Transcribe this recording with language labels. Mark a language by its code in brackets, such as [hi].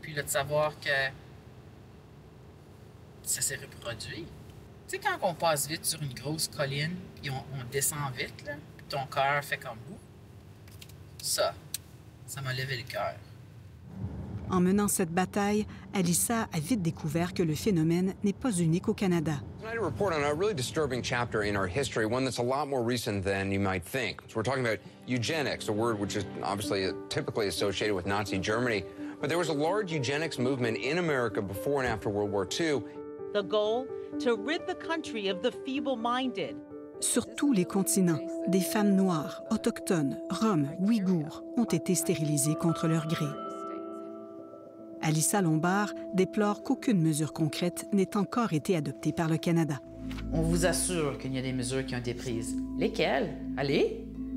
[fr] Puis là, de savoir que ça s'est reproduit. Tu sais, quand on passe vite sur une grosse colline, puis on descend vite, là, puis ton cœur fait comme vous. Ça m'a levé le cœur. En menant cette bataille, Alissa a vite découvert que le phénomène n'est pas unique au Canada. [en] Tonight, a report on a really disturbing chapter in our history, one that's a lot more recent than you might think. So we're talking about eugenics, a word which is obviously typically associated with Nazi Germany, But there was a large eugenics movement in America before and after World War II. The goal, to rid the country of the feeble-minded. [fr] Sur tous les continents, des femmes noires, autochtones, roms, ouïghours, ont été stérilisées contre leur gré. Alissa Lombard déplore qu'aucune mesure concrète n'ait encore été adoptée par le Canada. On vous assure qu'il y a des mesures qui ont été prises. Lesquelles? Allez!